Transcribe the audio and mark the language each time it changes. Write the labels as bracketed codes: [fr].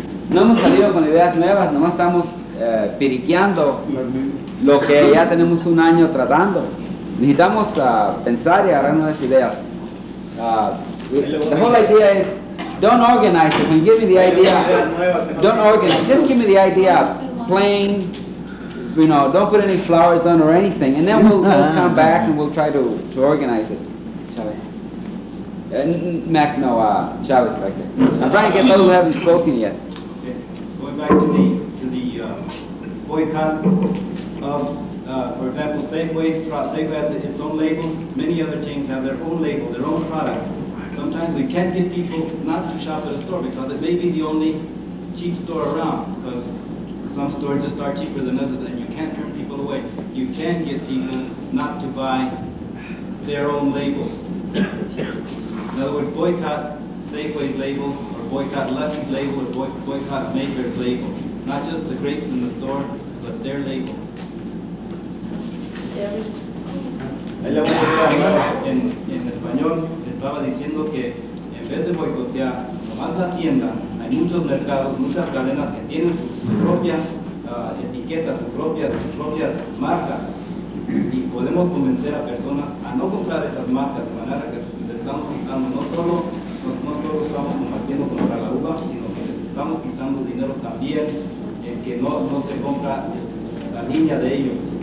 [es] No hemos salido con ideas nuevas, nomás estamos periqueando lo que ya tenemos un año tratando. Necesitamos pensar y agarrar nuevas ideas. [en] The whole idea is, don't organize it. When you give me the idea, don't organize. Just give me the idea, plain, you know, don't put any flowers on or anything. And then we'll come back and we'll try to organize it. Chavez back there. I'm trying to get those who haven't spoken yet. Back to the boycott of, for example, Safeway's product. Safeway has its own label. Many other chains have their own label, their own product. Sometimes we can't get people not to shop at a store because it may be the only cheap store around, because some stores just are cheaper than others, and you can't turn people away. You can get people not to buy their own label. In other words, boycott Safeway's label, boycott Lucky's label, or boycott Maker's label. Not just the grapes in the store, but their label. [es] En español, estaba diciendo que en vez de boicotear nomás la tienda, hay muchos mercados, muchas cadenas que tienen sus propias etiquetas, sus propias marcas, y podemos convencer a personas a no comprar esas marcas, de manera que les estamos quitando no solo estamos combatiendo contra la uva, sino que les estamos quitando dinero también en que no se compra la línea de ellos.